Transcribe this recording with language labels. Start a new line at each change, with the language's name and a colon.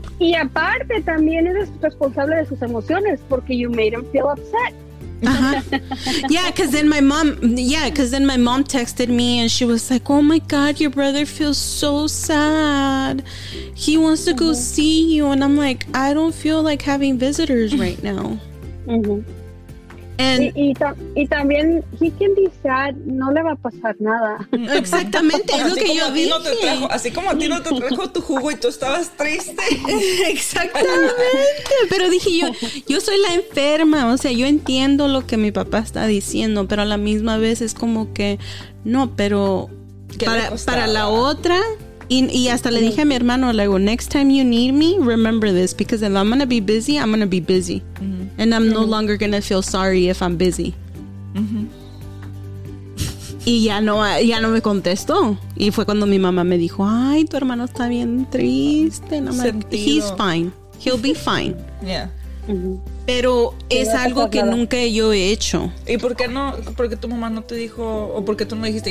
Spanish: Y aparte también eres responsable de sus emociones porque
English: you made him feel upset. Because then my mom texted me and she was like, oh my god, your brother feels so sad, he wants to go see you. And I'm like, I don't feel like having visitors right now. And
Spanish: también
English: he can be sad,
Spanish: no le va a pasar nada. Exactamente, es lo que yo dije. Así como a ti no te trajo tu jugo y tú estabas triste. Exactamente, pero dije yo soy la enferma, o sea, yo entiendo lo que mi papá está diciendo, pero a la misma vez es como que no, pero para la otra. Y hasta le dije a mi hermano, le digo,
English: next time you need me, remember this, because if I'm going to be busy, I'm going to be busy. Mm-hmm. And I'm no longer going to feel sorry if I'm busy.
Spanish: Mm-hmm. Y ya no me contestó. Y fue cuando mi mamá me dijo, ay, tu hermano está bien triste.
English: No, he's fine. He'll be fine. Yeah. Mm-hmm.
Spanish: Pero es algo que nunca yo he hecho. ¿Y por qué no? ¿Por qué tu mamá no te dijo? ¿O por qué tú no dijiste?